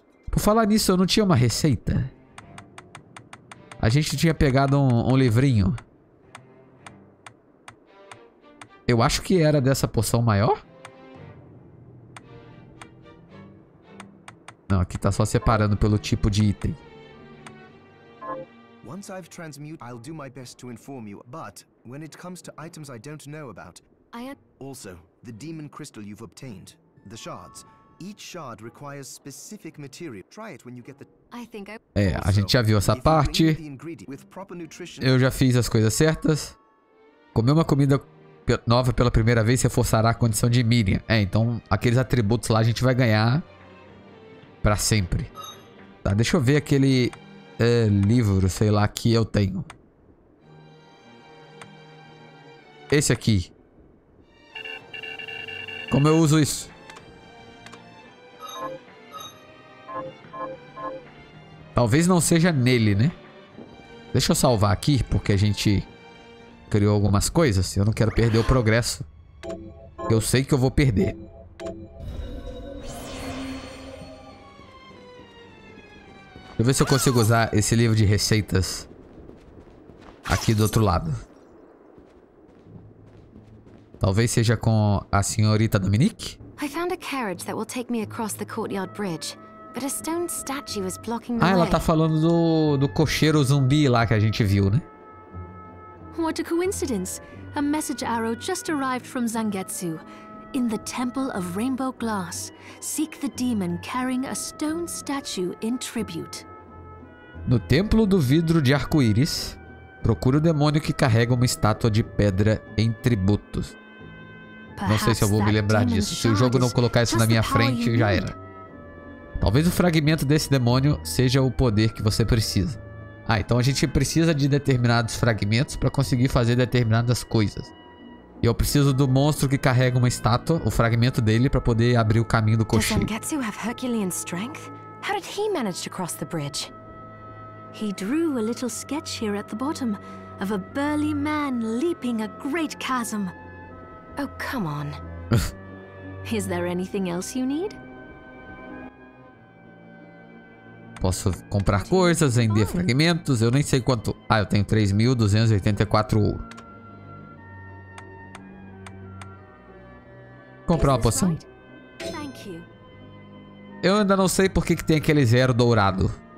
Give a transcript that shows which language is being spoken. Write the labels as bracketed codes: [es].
[pt] Por falar nisso, eu não tinha uma receita. A gente tinha pegado um livrinho. Eu acho que era dessa poção maior. Não, aqui tá só separando pelo tipo de item. [en] Once I've transmuted, I'll do my best to inform you, but when it comes to items I don't know about, I also, the demon crystal you've obtained, the shards. Each shard requires specific material. Try it when you get the I think I [pt] É, a gente já viu essa parte. Eu já fiz as coisas certas. Comer uma comida nova pela primeira vez reforçará a condição de Miriam. É, então aqueles atributos lá a gente vai ganhar pra sempre. Tá, deixa eu ver aquele livro, sei lá, que eu tenho. Esse aqui. Como eu uso isso? Talvez não seja nele, né? Deixa eu salvar aqui, porque a gente criou algumas coisas. Eu não quero perder o progresso. Eu sei que eu vou perder. Deixa eu ver se eu consigo usar esse livro de receitas aqui do outro lado. Talvez seja com a senhorita Dominique? [en] I found a carriage that will take me across the courtyard bridge, but a stone statue is blocking the way. [pt] Ah, ela tá falando do cocheiro zumbi lá que a gente viu, né? [en] What a coincidence. A message arrow just arrived from Zangetsu. In the Temple of Rainbow Glass, seek the demon carrying a stone statue in tribute. [pt] No Templo do Vidro de Arco-Íris, procure o demônio que carrega uma estátua de pedra em tributo. Não sei se eu vou me lembrar disso. Se o jogo não colocar isso na minha frente, já era. Talvez o fragmento desse demônio seja o poder que você precisa. Ah, então a gente precisa de determinados fragmentos para conseguir fazer determinadas coisas. E eu preciso do monstro que carrega uma estátua, o fragmento dele, pra poder abrir o caminho do cocheiro. [en] Does Zangetsu have Herculean strength? How did he manage to cross the bridge? He drew a little sketch here at the bottom of a burly man leaping a great chasm. Oh, come on. Is there anything else you need? [pt] Posso comprar coisas, vender fragmentos, eu nem sei quanto. Ah, eu tenho 3.284 ouro. Comprar uma poção. Eu ainda não sei por que que tem aquele zero dourado.